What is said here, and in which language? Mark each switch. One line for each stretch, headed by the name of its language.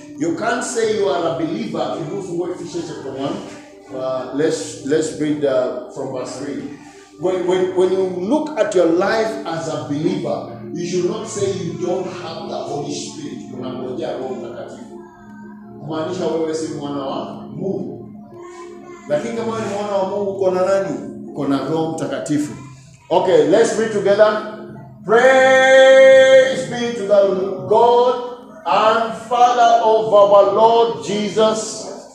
English: You can't say you are a believer. If you go to Ephesians chapter 1. Let's read from verse 3. When you look at your life as a believer, you should not say you don't have the Holy Spirit.
Swahili: Kumaanisha wewe si mwana wa Mungu. Lakini kama ni mwana wa Mungu, uko na nani? Uko na Roho Mtakatifu.
English: Okay, let's read together. Praise be to the God and Father of our Lord Jesus.